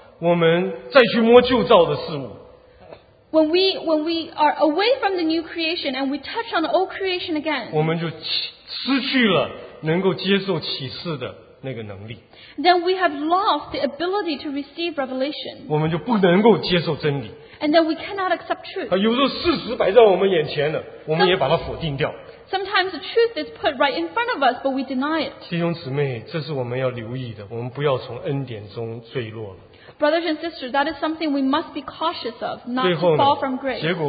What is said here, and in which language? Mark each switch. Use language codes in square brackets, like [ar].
[zh] 我们再去摸旧造的事物, [en] when we are away from the new creation and we touch on the old creation again, [zh] 我们就失去了能够接受启示的那个能力, [en] then we have lost the ability to receive revelation, [zh] 我们就不能够接受真理, [en] and then we cannot accept truth. [zh] 有时候事实摆在我们眼前了, 我们也把它否定掉。 [en] Sometimes the truth is put right in front of us, but we deny it. [zh] 弟兄姊妹, 这是我们要留意的, 我们不要从恩典中坠落了。 [en] Brothers and sisters, that is something we must be cautious of, not to fall from grace.